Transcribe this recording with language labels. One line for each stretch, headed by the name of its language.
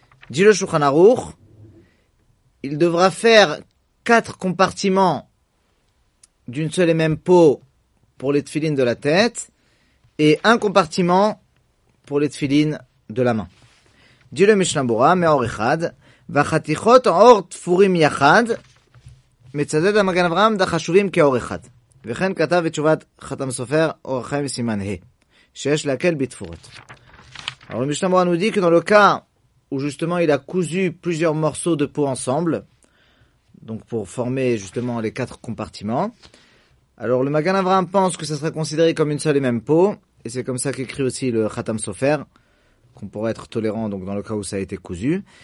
French: Dit le Shulchan Aruch, il devra faire 4 compartiments d'une seule et même peau pour les tefilines de la tête, et un compartiment pour les tefilines de la main. Dit le
Hebrew: Mishnah Berurah, me'or echad, vachatichot or tfurim yachad, מצדד המגן אברהם דחשובים כאור אחד. וכן כתב בתשובת חתם סופר אור חיים וסימן ה. שיש להקל בתפורת.
French: Alors le Mishnah Berurah nous dit que dans le cas où justement il a cousu plusieurs morceaux de peau ensemble, donc pour former justement les quatre compartiments, alors le Magan Avraham pense que ça sera considéré comme une seule et même peau, et c'est comme ça qu'écrit aussi le Khatam Sofer, qu'on pourrait être tolérant donc dans le cas où ça a été cousu.